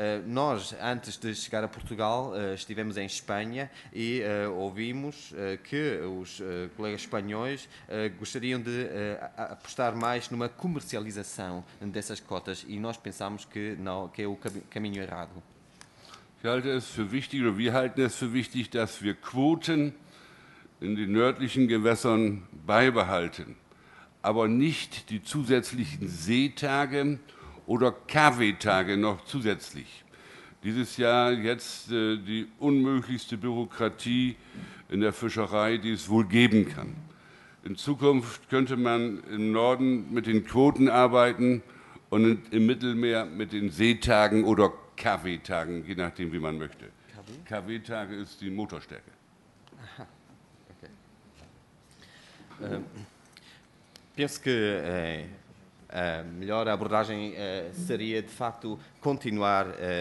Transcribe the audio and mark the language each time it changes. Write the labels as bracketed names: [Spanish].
[Portuguese] Nós, antes de chegar a Portugal, estivemos em Espanha e ouvimos que os colegas espanhóis gostariam de apostar mais numa comercialização dessas cotas e nós pensamos que não, que é o caminho errado. [German] Wir halten es für wichtig, dass wir Quoten in den nördlichen Gewässern beibehalten, aber nicht die zusätzlichen Seetage oder KW-Tage noch zusätzlich. Dieses Jahr jetzt die unmöglichste Bürokratie in der Fischerei, die es wohl geben kann. In Zukunft könnte man im Norden mit den Quoten arbeiten und im Mittelmeer mit den Seetagen oder KW-Tagen, je nachdem, wie man möchte. KW-Tage ist die Motorstärke. Aha. Okay. [Portuguese] Penso que a melhor abordagem seria, de facto, continuar